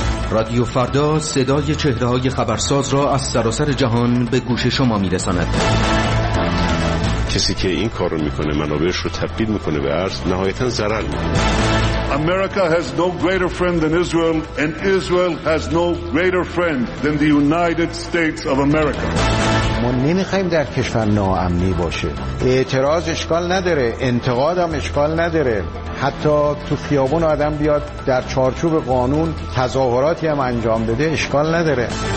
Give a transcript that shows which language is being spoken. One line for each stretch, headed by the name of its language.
Persian: رادیو فردا صدای چهره‌های خبرساز را از سراسر جهان به گوش شما می‌رساند. کسی که این کار رو می‌کنه منابعش رو تبدیل می‌کنه به ارز، نهایتاً ضرر می‌کنه.
English: America has no greater friend than Israel and Israel has no greater friend than the United States of America.
Persian: ما نمی‌خوایم در کشور ناامنی باشه. اعتراض اشکال نداره، انتقاد هم اشکال نداره. حتی تو خیابون آدم بیاد در چارچوب قانون تظاهراتی هم انجام بده اشکال نداره.